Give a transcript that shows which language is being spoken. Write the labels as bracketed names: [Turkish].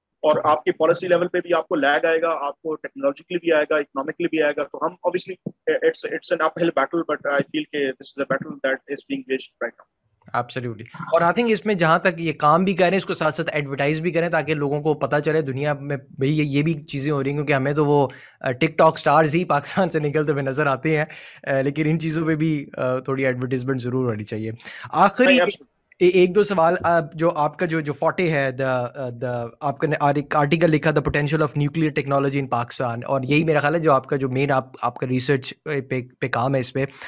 [Urdu] اور آپ کی پالیسی لیول پہ بھی آپ کو لیگ آئے گا, آپ کو ٹیکنالوجیکلی بھی آئے گا, اکنامکلی بھی آئے گا. تو ہم [English] obviously it's an uphill battle but I feel کہ this is a battle that is being waged right now. Absolutely. [Urdu] اور [English] I think [Urdu] اس میں جہاں تک یہ کام بھی کریں اس کو ساتھ ساتھ ایڈورٹائز بھی کریں تاکہ لوگوں کو پتہ چلے دنیا میں بھائی یہ بھی چیزیں ہو رہی ہیں, کیونکہ ہمیں تو وہ ٹک ٹاک اسٹارز ہی پاکستان سے نکلتے ہوئے نظر آتے ہیں, لیکن ان چیزوں پہ بھی تھوڑی ایڈورٹائزمنٹ ضرور ہونی چاہیے. آخری ایک دو سوال, جو آپ کا جو فورٹے ہے, آپ نے آرٹیکل لکھا the potential of nuclear technology ان پاکستان, اور یہی میرا خیال ہے جو آپ کا جو مین آپ کا ریسرچ پہ کام ہے اس پہ.